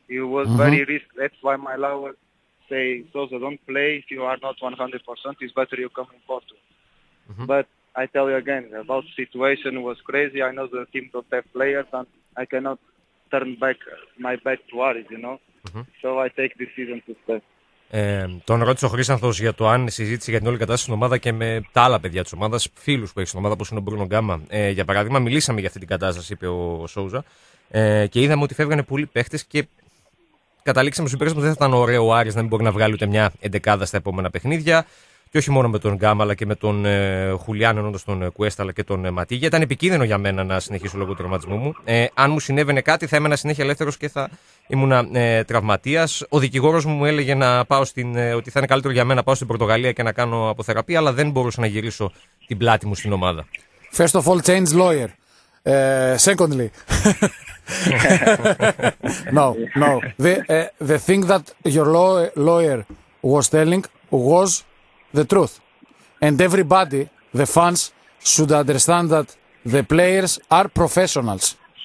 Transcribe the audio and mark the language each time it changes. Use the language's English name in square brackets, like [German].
[English] It was very risky. That's why my lower... say, Sosa, don't play if you are not 100%, it's better you come in Porto. But I tell you again, about the situation was crazy. I know the team don't have players and I cannot turn back my back to Aris, you know. So I take the season to stay. [Greek] Τον ρώτησε ο Χρύσανθος για το αν συζήτησε για την όλη κατάσταση στην ομάδα και με τα άλλα παιδιά της ομάδας, φίλους που έχει στην ομάδα, όπως είναι ο Μπρούνο Γκάμα. Για παράδειγμα, μιλήσαμε για αυτή την κατάσταση, είπε ο Σόουζα, και είδαμε ότι φεύγανε πολλοί παίχτες και καταλήξαμε στο συμπέρασμα ότι δεν θα ήταν ωραίο ο Άρης να μην μπορεί να βγάλει ούτε μια εντεκάδα στα επόμενα παιχνίδια. Και όχι μόνο με τον Γκάμα, αλλά και με τον Χουλιάν, ενώντας τον Κουέστα, αλλά και τον Ματίγια. Ήταν επικίνδυνο για μένα να συνεχίσω λόγω του τραυματισμού μου. Αν μου συνέβαινε κάτι, θα έμενα συνέχεια ελεύθερος και θα ήμουν τραυματίας. Ο δικηγόρος μου έλεγε να πάω ότι θα είναι καλύτερο για μένα να πάω στην Πορτογαλία και να κάνω αποθεραπεία, αλλά δεν μπορούσα να γυρίσω την πλάτη μου στην ομάδα. [English] First of all, change lawyer. Secondly. No. The thing that your lawyer was telling was the truth. And everybody, the fans, should understand that the players are professionals.